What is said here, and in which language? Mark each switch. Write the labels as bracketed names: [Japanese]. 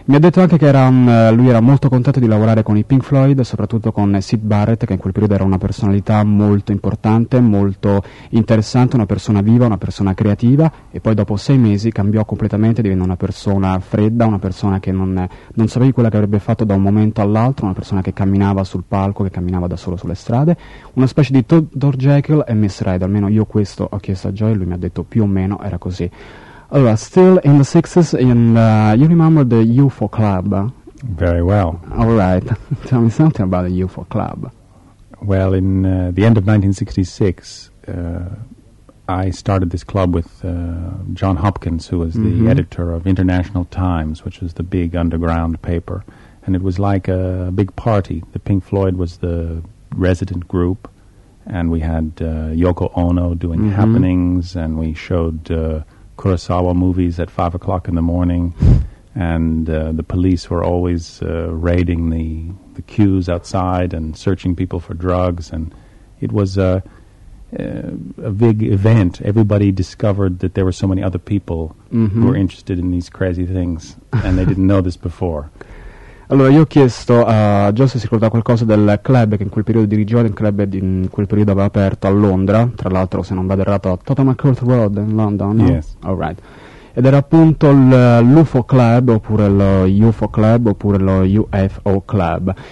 [Italian] Mi ha detto anche che lui era molto contento di lavorare con i Pink Floyd, soprattutto con Syd Barrett, che in quel periodo era una personalità molto importante, molto interessante, una persona viva, una persona creativa, e poi dopo 6 mesi cambiò completamente, divenne una persona fredda, una persona che non sapevi quella che avrebbe fatto da un momento all'altro, una persona che camminava sul palco, che camminava da solo sulle strade, una specie di Dr. Jekyll e Miss Hyde, almeno io questo ho chiesto a Joe e lui mi ha detto più o meno era così. [English] Allora, still in the 60s, you remember the UFO Club? Very well. All right. Tell me something about the UFO Club. Well, in the end of 1966, I started this club with John Hopkins, who was the editor of International Times, which was the big underground paper. And it was like a big party. The Pink Floyd was the resident group, and we had Yoko Ono doing happenings, and we showed... Kurosawa movies at 5 o'clock in the morning, and the police were always raiding the queues outside and searching people for drugs, and it was a big event. Everybody discovered that there were so many other people who were interested in these crazy things, and they didn't know this before. [Italian] Allora, io ho chiesto a Joe se si ricorda qualcosa del club che in quel periodo dirigeva, il club di in quel periodo aveva aperto a Londra, tra l'altro, se non vado errato, a Tottenham Court Road [English] in London, [Italian] no? [English] Yes. All right. [Italian] ed era appunto l'UFO Club, oppure lo UFO Club, oppure lo UFO Club.